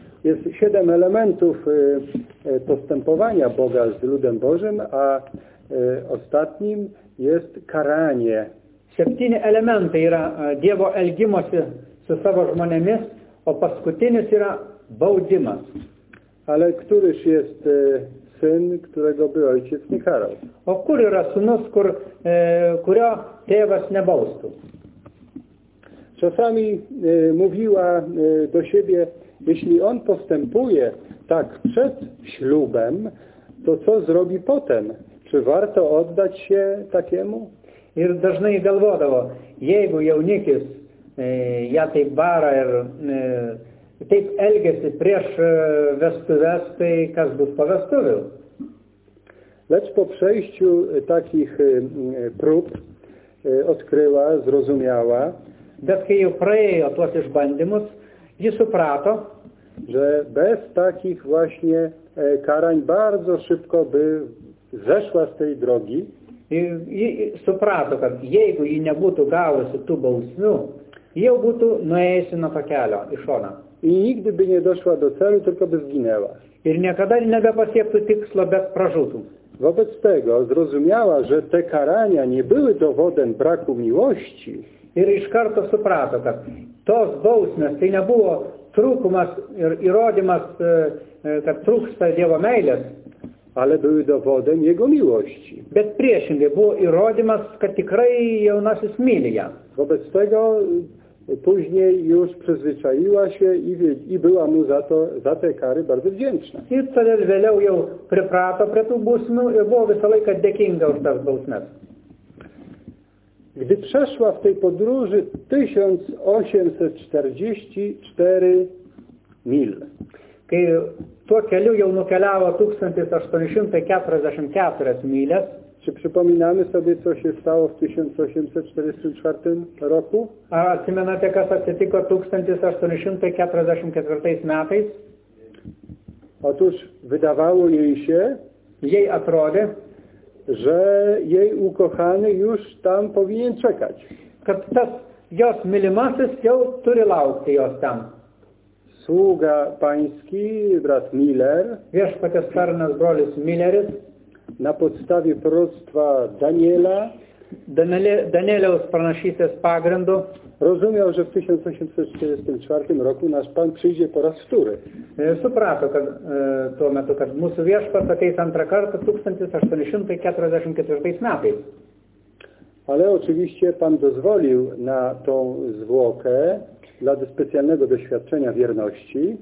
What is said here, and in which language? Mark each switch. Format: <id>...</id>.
<pl>Jest 7 elementów postępowania Boga z ludem Bożym, a ostatnim jest karanie.</pl> <lt>7 elementy yra Dievo elgimosi su savo žmonėmis, o paskutinis yra baudimas.</lt> <pl>Ale któryż jest syn, którego by ojciec nie karał?</pl> <lt>O kur yra sūnus, kurio tėvas nebaustų?</lt> <pl>Czasami mówiła do siebie: jeśli on postępuje tak przed ślubem, to co zrobi potem? Czy warto oddać się takiemu?</pl> <lt>Ir dažnai galvodavo, jeigu jaunikis ją taip bara ir taip elgiasi prieš vestuves, tai kas bus po vestuvių?</lt> <pl>Lecz po przejściu takich prób odkryła, zrozumiała.</pl> <lt>Bet kai jau praėjo tuos išbandymus, ji suprato,</lt> <pl>że bez takich właśnie karań bardzo szybko by zeszła z tej drogi.</pl> <lt>I suprato, kad jeigu ji nebūtų gavusi tų bausmių, jau būtų nuėjusi nuo to kelio iš šona.</lt> <pl>I nigdy by nie doszła do celu, tylko by zginęła.</pl> <lt>Ir niekada nebepasiektų tikslo, bet pražūtų.</lt> <pl>Wobec tego zrozumiała, że te karania nie były dowodem braku miłości.</pl> <lt>Ir iš karto suprato, kad tos bausmės tai nebuvo trūkumas ir įrodymas, kad trūksta Dievo meilės.</lt> <pl>Ale były dowodem jego miłości.</pl> <lt>Bet priešingai buvo įrodymas, kad tikrai jaunasis myli ją.</lt> <pl>Wobec tego później już przyzwyczaiła się i była mu za te kary bardzo wdzięczna.</pl> <lt>Ir todėl vėliau jau priprato prie tų bausmių ir buvo visą laiką dėkinga už tas bausmes.</lt> <pl>Gdy przeszła w tej podróży 1844 mil.</pl> <lt>Kai tuo keliu jau nukeliavo 1844 milės.</lt> <pl>Czy przypominamy sobie, co się stało w 1844 roku?</pl> <lt>A atsimenate, kas atsitiko 1844 metais?</lt> <pl>Otóż wydawało jej się,</pl> <lt>jej atrodė,</lt> <pl>że jej ukochany już tam powinien czekać.</pl> <lt>Kad tas jos mylimasis jau turi laukti jos tam.</lt> <pl>Sługa pański, brat Miller,</pl> <lt>wieszpaties tarnas brolis Milleris,</lt> <pl>na podstawie proroctwa Daniela,</pl> <lt>Danieliaus pranašystės pagrindu,</lt> <pl>rozumiał, że w 1844 roku nasz Pan przyjdzie po raz wtóry.</pl> <lt>Suprato, kad tuo metu, kad mūsų viešpats ateis antrą kartą 1844 metais.</lt> <pl>Ale oczywiście Pan dozwolił na tą zwłokę dla specjalnego doświadczenia wierności.</pl>